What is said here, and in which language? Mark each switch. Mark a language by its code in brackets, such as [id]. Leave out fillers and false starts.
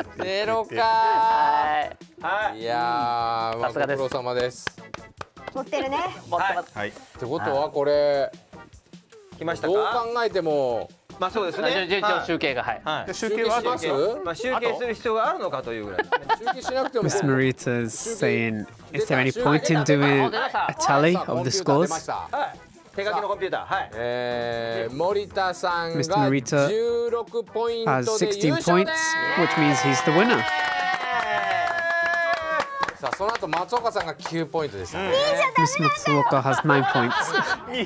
[ja] 0かい。いやさすがです。ご苦労様です。持ってるね。持ってます。はい、ってことはこれ来ましたか。どう考えても、まあそうですね、順調集計が、はい、集計はどうする、集計する必要があるのかというぐらい。集計しなくても。 [en] Miss Marita is saying, is there any point in doing a tally of the scores? [ja] 手書きのコンピューター、はい、森田さんが16ポイントで優勝です。 [en] 16 points, which means he's the winner. [ja] その後松岡さんが9ポイントでしたね。2じゃダメなんだよ。 [en] 松岡 has 9 points。